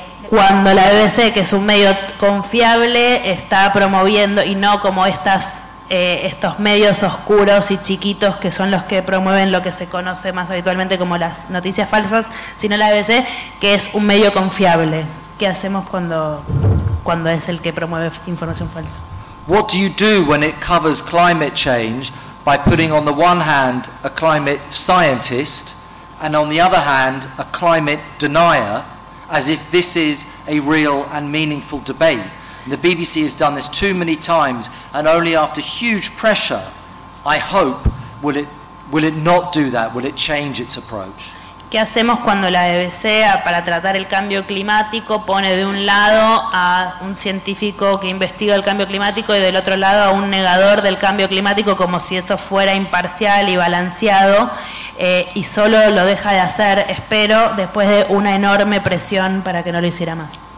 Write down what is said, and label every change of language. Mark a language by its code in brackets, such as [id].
[es] Cuando la BBC, que es un medio confiable, está promoviendo, y no como estos medios oscuros y chiquitos que son los que promueven lo que se conoce más habitualmente como las noticias falsas, sino la BBC, que es un medio confiable. ¿Qué hacemos cuando es el que promueve información falsa? [en] What do you do when it covers climate change by putting on the one hand a climate scientist and on the other hand a climate denier, as if this is a real and meaningful debate? The BBC has done this too many times, and only after huge pressure, I hope, will it not do that? Will it change its approach? [es] ¿Qué hacemos cuando la BBC, para tratar el cambio climático, pone de un lado a un científico que investiga el cambio climático y del otro lado a un negador del cambio climático, como si eso fuera imparcial y balanceado, y solo lo deja de hacer, espero, después de una enorme presión para que no lo hiciera más?